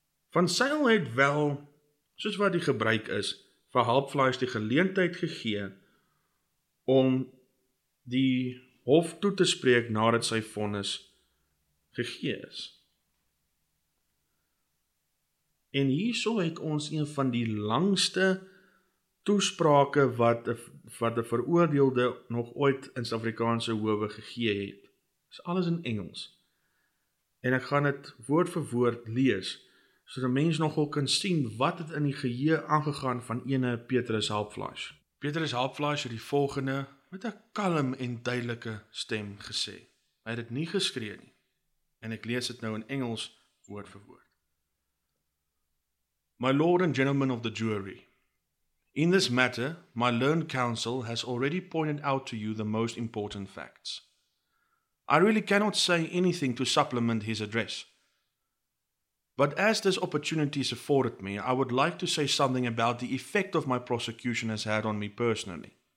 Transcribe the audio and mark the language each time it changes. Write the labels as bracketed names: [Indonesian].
[Afrikaans] Van Sail het wel, soos wat die gebruik is, vir Haapvleis die geleentheid gegee om die hof toe te spreek nadat sy vonnis gegee is. En hierso het ons een van die langste toesprake wat die veroordeelde nog ooit in Suid-Afrikaanse howe gegee het. Dit is alles in Engels. En ek gaan dit woord vir woord lees, so die mens nogal kan sien wat het in die geheue aangegaan van ene Petrus Haapvleis. Petrus Haapvleis het die volgende met 'n kalm en duidelike stem gesê. Hy het dit nie geskree nie. En ek lees dit nou in Engels woord vir woord. [English] My lord and gentlemen of the jury, in this matter, my learned counsel has already pointed out to you the most important facts. I really cannot say anything to supplement his address. But as this opportunity is afforded me, I would like to say something about the effect of my prosecution has had on me personally.